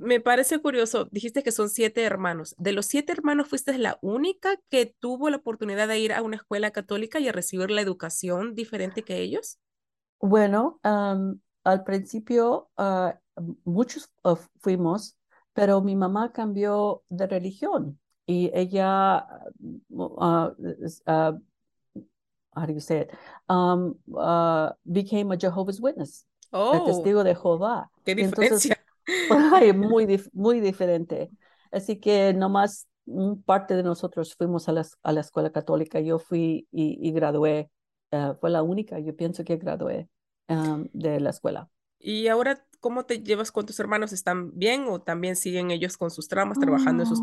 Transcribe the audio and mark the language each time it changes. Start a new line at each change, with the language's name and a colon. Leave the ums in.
Spanish: Me parece curioso, dijiste que son siete hermanos. De los siete hermanos, fuiste la única que tuvo la oportunidad de ir a una escuela católica y a recibir la educación diferente que ellos. Bueno, am, al principio ah, muchos ah, fuimos, pero mi mamá cambió de religión y ella, ah, mo- ah, es- ah,
English: how do you say it? Um, ah, became a Jehovah's Witness,
Spanish: el Oh, testigo de Jehová. qué Y entonces diferencia. Ay, muy, dif- muy diferente. Así que nomás mm, parte de nosotros fuimos a la, es- a la escuela católica. Yo fui y, y gradué. eh, fue la única, yo pienso que gradué um, de la escuela. ¿Y ahora cómo te llevas con tus hermanos? ¿Están bien o también siguen ellos con sus tramas, trabajando en sus